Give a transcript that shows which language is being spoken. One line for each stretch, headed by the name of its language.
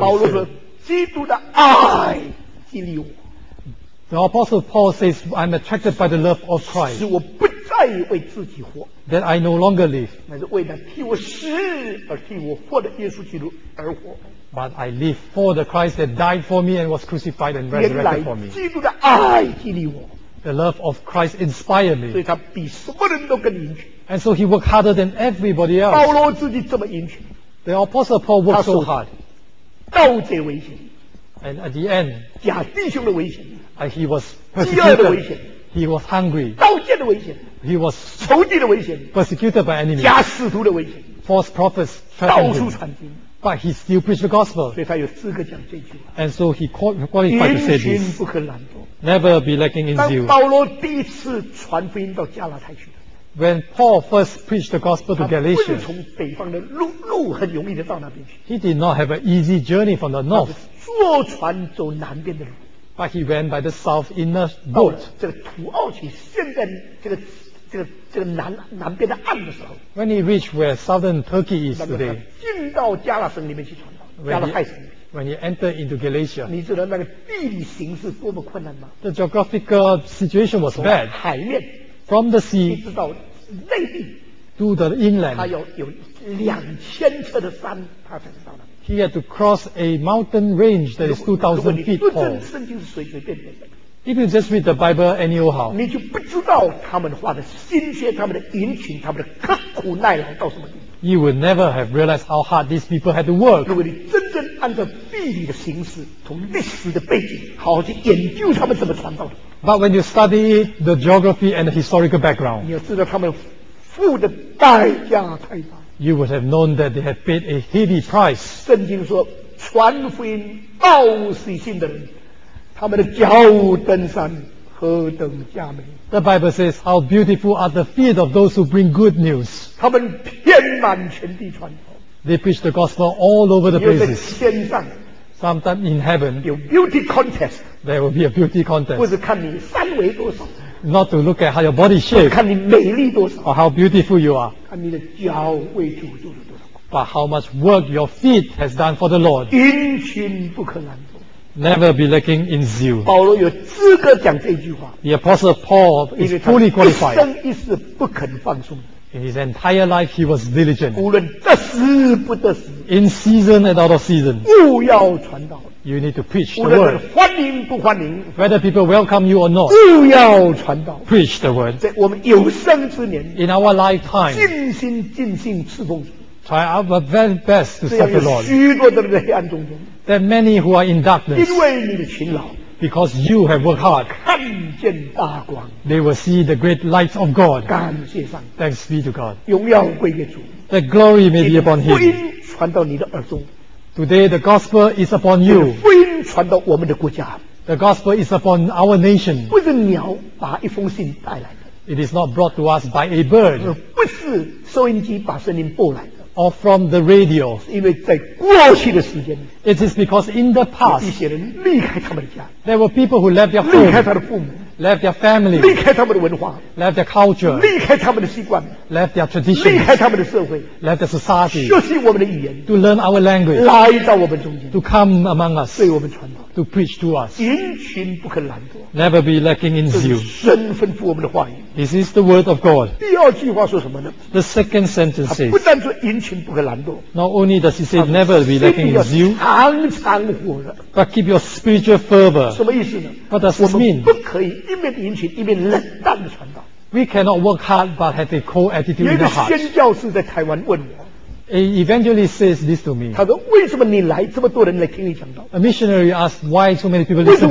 Chinese: 保罗说，基督的爱激励我。
English: The Apostle Paul says, I'm attracted by the love of Christ.
Chinese: 使我不再为自己活。
English: That I no longer live.
Chinese: 乃是为了替我死而替我活的耶稣基督而活。
English: But I live for the Christ that died for me and was crucified and resurrected for me.
Chinese: 原来基督的爱激励我。
English: The love of Christ inspired me.
Chinese: 所以他比什么人都更殷勤。
English: And so he worked harder than everybody else.
Chinese: 保罗自己这么殷勤。
English: The Apostle Paul worked so hard.
Chinese: 盗贼危险。
English: And at the end,
Chinese: 假弟兄的危险。
English: He was persecuted.
Chinese: 饥饿的危险。
English: He was hungry.
Chinese: 刀剑的危险。
English: He was
Chinese: 仇敌的危险。
English: Persecuted by enemies.
Chinese: 假使徒的危险。
English: False prophets.
Chinese: 到处传经。
English: But he still preached the gospel.
Chinese: 所以他有资格讲这句话。
English: And so he qualified to say this.
Chinese: 殷勤不可懒惰。
English: Never be lacking in zeal.
Chinese: 当保罗第一次传福音到加拉太去的时候，
English: When Paul first preached the gospel to Galatia，
Chinese: 他不是从北方的路很容易的到那边去。
English: He did not have an easy journey from the north.
Chinese: 坐船走南边的路。
English: But he went by the south in a boat.
Chinese: 到了这个土奥其现在这个南边的岸的时候，
English: When he reached where southern Turkey is today，
Chinese: 进到加拉省里面去传道，加拉太省。
English: When you enter into Galatia，
Chinese: 你知道那个地理形势多么困难吗？
English: The geographical situation was bad。
Chinese: 海面，
English: from the sea，
Chinese: 一直到内地，
English: to the inland，
Chinese: 他要有2000尺的山，他才能到那。
English: He had to cross a mountain range that is 2000 feet tall。
Chinese: 如果你不认圣经，是随随便便的。
English: If you just read the Bible anyhow，
Chinese: 你就不知道他们花的心血、他们的殷勤、他们的刻苦耐劳到什么地步。
English: You would never have realized how hard these people had to work.
Chinese: 如果你真正按照地理的形式，从历史的背景，好好去研究他们怎么传道的。
English: But when you study the geography and the historical background,
Chinese: 你要知道他们付的代价太大。
English: You would have known that they had paid a heavy price.
Chinese: 圣经说，传福音到死信的人，他们的脚登山何等佳美。
English: The Bible says, how beautiful are the feet of those who bring good news.
Chinese: 他们遍满全地传道。
English: They preach the gospel all over the places.
Chinese: 有在天上。
English: Sometimes in heaven.
Chinese: 有
English: beauty contest. There will be a beauty contest.
Chinese: 不是看你三围多少。
English: Not to look at how your body shape.
Chinese: 不是看你美丽多少。
English: Or how beautiful you are.
Chinese: 看你的脚为主做了多少。
English: But how much work your feet has done for the Lord.
Chinese: 殷勤不可懒惰。
English: Never be lacking in zeal.
Chinese: 保罗有资格讲这句话。
English: The Apostle Paul is fully qualified.
Chinese: 一生一世不肯放松。
English: In his entire life, he was diligent.
Chinese: 无论得时不得时。
English: In season and out of season.
Chinese: 务要传道。
English: You need to preach the word.
Chinese: 无论欢迎不欢迎。
English: Whether people welcome you or not.
Chinese: 务要传道。
English: Preach the word.
Chinese: 在我们有生之年。
English: In our lifetime.
Chinese: 尽心尽性侍奉主。
English: Try our very best to serve the Lord.
Chinese: 许多的人在黑暗中间。
English: There are many who are in darkness. Because you have worked hard.
Chinese: 看看见大光。
English: They will see the great light of God.
Chinese: 感谢上帝。
English: Thanks be to God.
Chinese: 荣耀归给主。
English: The glory may be upon him.
Chinese: 福音传到你的耳中。
English: Today the gospel is upon you.
Chinese: 福音传到我们的国家。
English: The gospel is upon our nation.
Chinese: 不是鸟把一封信带来的。
English: It is not brought to us by a bird.
Chinese: 不是收音机把声音播来的。
English: Or from the radio.
Chinese: 因为在过去的时间，
English: it is because in the past,
Chinese: 有一些人离开他们的家，
English: there were people who left their home,
Chinese: 离开他的父母，
English: left their family,
Chinese: 离开他们的文化，
English: left their culture,
Chinese: 离开他们的习惯，
English: left their tradition,
Chinese: 离开他们的社会，
English: left their society,
Chinese: 学习我们的语言，
English: to learn our language,
Chinese: 来到我们中间，
English: to come among us,
Chinese: 对我们传道，
English: to preach to us,
Chinese: 殷勤不肯懒惰，
English: never be lacking in zeal,
Chinese: 神吩咐我们的话语。
English: This is the word of God.
Chinese: 第二句话说什么呢？
English: The second sentence says,
Chinese: 不但说殷勤不可懒惰，
English: Not only does he say never be lacking in zeal,
Chinese: 常常火热，
English: but keep your spiritual fervor.
Chinese: 什么意思呢？
English: What does this mean?
Chinese: 我们不可以一面殷勤一面冷淡的传道。
English: We cannot work hard but have a cold attitude in the heart.
Chinese: 有一个宣教士在台湾问我，
English: An evangelist says this to me.
Chinese: 他说为什么你来这么多人来听你讲道？
English: A missionary asked why so many people listen to you.